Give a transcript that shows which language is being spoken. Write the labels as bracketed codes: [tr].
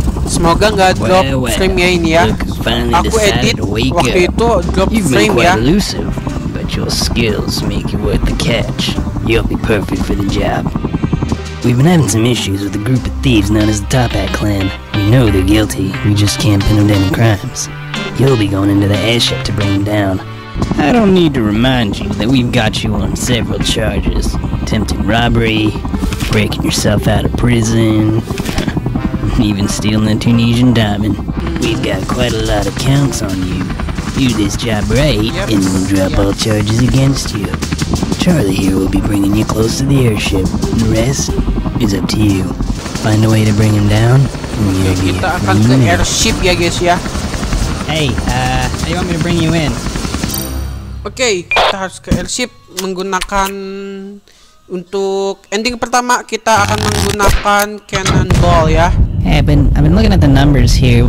[id] Semoga nggak drop frame ya ini ya. Aku edit waktu itu drop frame ya. [en] Elusive, but your skills make you worth the catch. You'll be perfect for the job. We've been having some issues with a group of thieves known as the Top Hat Clan. We know they're guilty, we just can't pin them to any crimes. You'll be going into the airship to bring them down. I don't need to remind you that we've got you on several charges. Attempting robbery, breaking yourself out of prison, even stealing a Tunisian diamond. We've got quite a lot of counts on you. Do this job right, yep, and we'll drop, yep, all charges against you. Charlie here will be bringing you close to the airship. The rest is up to you. Find a way to bring him down, and you're good. [id] Kita akan ke airship ya guys ya. [en] Hey, how you want me to bring you in? [id] Okay, kita harus ke airship menggunakan... Untuk ending pertama kita akan menggunakan cannonball ya. [en] Hey, I've been looking at the numbers here.